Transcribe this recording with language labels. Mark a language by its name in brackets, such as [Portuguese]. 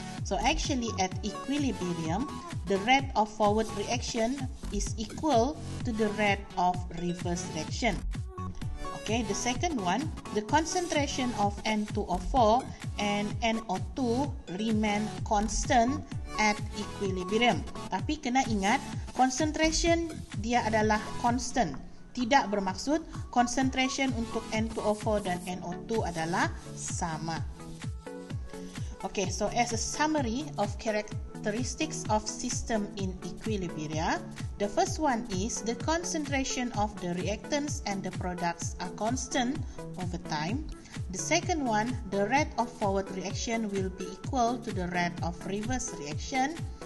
[English] So actually at equilibrium, the rate of forward reaction is equal to the rate of reverse reaction. Okay, the second one, the concentration of N2O4 and NO2 remain constant at equilibrium. [Malay] Tapi kena ingat, concentration dia adalah constant. Tidak bermaksud concentration untuk N2O4 dan NO2 adalah sama. [English] Okay, so as a summary of characteristics of system in equilibria, the first one is the concentration of the reactants and the products are constant over time. The second one, the rate of forward reaction will be equal to the rate of reverse reaction.